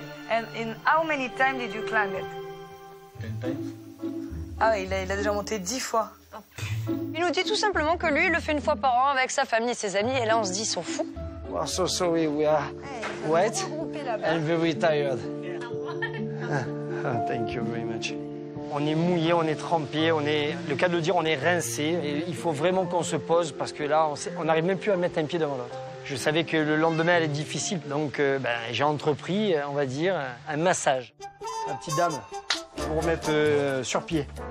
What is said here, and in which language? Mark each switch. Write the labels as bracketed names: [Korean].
[English] And in how many times did you climb it? 10 times. [French] Ah oui, il a déjà monté 10 fois. Il nous dit tout simplement que lui, il le fait une fois par an avec sa famille et ses amis. Et là, on se dit, ils sont fous. We're so sorry, we are wet and very tired. Thank you very much. On est mouillé, on est trempé, on est, le cas de le dire, on est rincé. Et il faut vraiment qu'on se pose parce que là, on n'arrive même plus à mettre un pied devant l'autre. Je savais que le lendemain, elle est difficile. Donc, j'ai entrepris, on va dire, un massage. La petite dame, je vous remets sur pied.